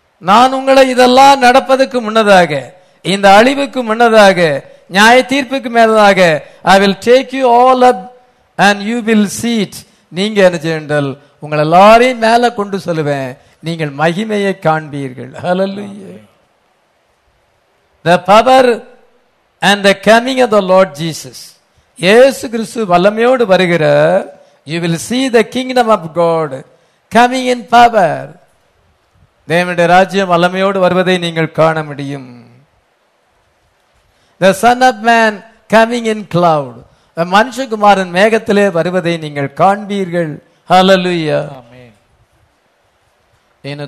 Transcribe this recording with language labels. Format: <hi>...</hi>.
<ta>நான் உங்களை இதெல்லாம் நடப்பதற்கு முன்னதாக, இந்த அழிவுக்கு முன்னதாக, நியாய தீர்ப்புக்கு மேலதாக,</ta> <en>I will take you all up and you will see it.</en> <ta>நீங்க என்ன செய்யுங்கள், உங்களை எல்லாரையும் மேல கொண்டு சொல்லுவேன், நீங்கள் மகிமையை காண்பீர்கள். ஹல்லேலூயா.</ta> <en>The power and the coming of the Lord Jesus.</en> <ta>இயேசு கிறிஸ்து வல்லமையோடு வருகிறார்.</ta> <en>You will see the kingdom of God coming in power.</en> <ta>தேவனுடைய ராஜ்யம் வல்லமையோடு வருவதை நீங்கள் காண முடியும்.</ta> <en>The Son of Man coming in cloud.</en> <ta>மனுஷகுமாரன் மேகத்திலே வருவதை நீங்கள் காண்பீர்கள். ஹல்லேலூயா. ஆமென்.</ta>